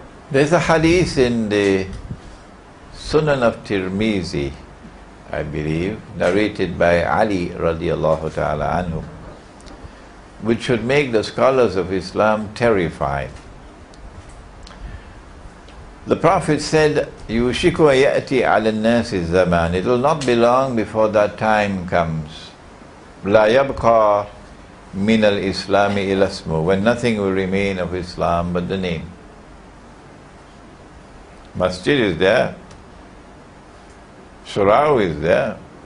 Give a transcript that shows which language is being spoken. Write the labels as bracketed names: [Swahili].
[English] There's a hadith in the Sunan of Tirmizi, I believe, narrated by Ali radiallahu ta'ala anhu, which should make the scholars of Islam terrified. The Prophet said, [Arabic] يُوشِكُ وَيَأْتِي عَلَى النَّاسِ الزَّمَانِ. [English] It will not be long before that time comes. [Arabic] لَا يَبْقَى مِنَ الْإِسْلَامِ إِلَى اسْمُ. [English] When nothing will remain of Islam but the name. Masjid is there. Surah is there.